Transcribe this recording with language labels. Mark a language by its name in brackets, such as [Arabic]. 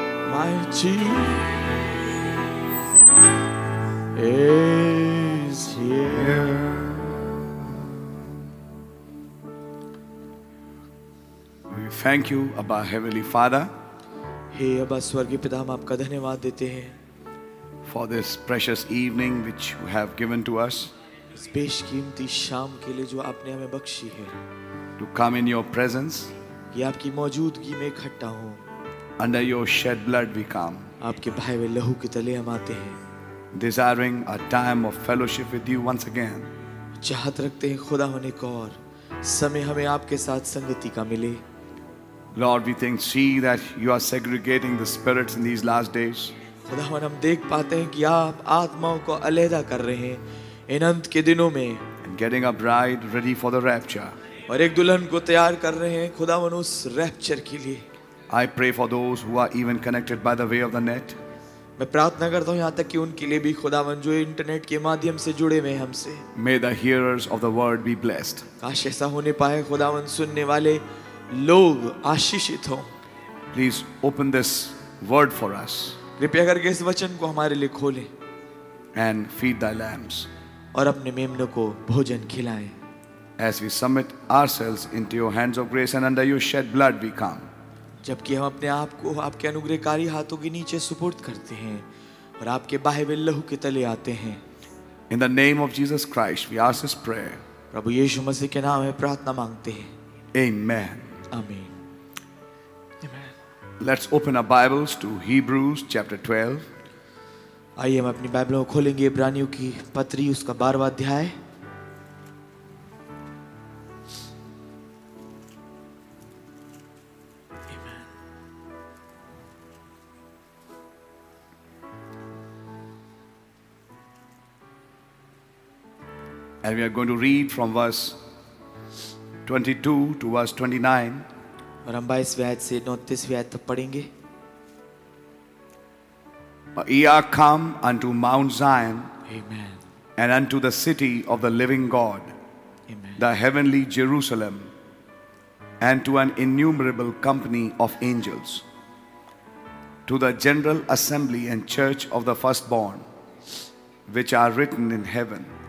[English] My Jesus is here. We thank you, Abba Heavenly Father. [Hindi] Hey, Abba Swargi Pita, hum aapka dhanyavad dete hain. [English] For this precious evening which you have given to us. [Hindi] बेशकीमती शाम के लिए जो आपने हमें बख्शी है, [English] to come in your presence, [Hindi] कि आपकी मौजूदगी में इकट्ठा हूं, [English] under your shed blood we come, [Hindi] आपके बहे हुए लहू के तले हम आते हैं, [English] desiring a time of fellowship with you once again, [Hindi] चाहत रखते हैं खुदा होने को और समय हमें आपके साथ संगति का मिले, [English] Lord we think see that you are segregating the spirits in these last days, [Hindi] खुदा हम देख पाते हैं कि आप आत्माओं को अलहदा कर रहे हैं इन अंत के दिनों में, [English] and getting a bride ready for the rapture, [Hindi] और एक दुल्हन को तैयार कर रहे हैं खुदावन उस रैप्चर के लिए। [English] I pray for those who are even connected by the way of the net, [Hindi] मैं प्रार्थना करता हूं यहां तक कि उनके लिए भी खुदावन जो इंटरनेट के माध्यम से जुड़े हुए हमसे, [English] may the hearers of the word be blessed, [Hindi] काश ऐसा होने पाए खुदावन सुनने वाले लोग आशीषित हों। [English] Please open this word for us, [Hindi] कृपया करके इस वचन को हमारे लिए खोलें, [English] and feed the lambs, [Hindi] और अपने मेमनों को भोजन खिलाएं। [English] As we submit ourselves into your hands of grace and under your shed blood we come, [Hindi] जबकि हम अपने आप को आपके अनुग्रहकारी हाथों के नीचे सुपुर्द करते हैं और आपके बाहे हुए लहू के तले आते हैं। [English] In the name of Jesus Christ we ask this prayer, [Hindi] प्रभु यीशु मसीह के नाम में प्रार्थना मांगते हैं। [English] Amen. Amen. Amen. Let's open our Bibles to Hebrews chapter 12. [Hindi] आइए हम अपनी बाइबलों को खोलेंगे इब्रानियों की पत्री उसका 12वां अध्याय। [English] And we are going to read from verse 22 to verse 29. [Hindi] और हम 22वें आयत से 39वें आयत तक पढ़ेंगे. [English] He hath come unto Mount Zion, Amen. And unto the city of the living God, Amen. The heavenly Jerusalem, and to an innumerable company of angels, to the general assembly and church of the firstborn, which are written in heaven,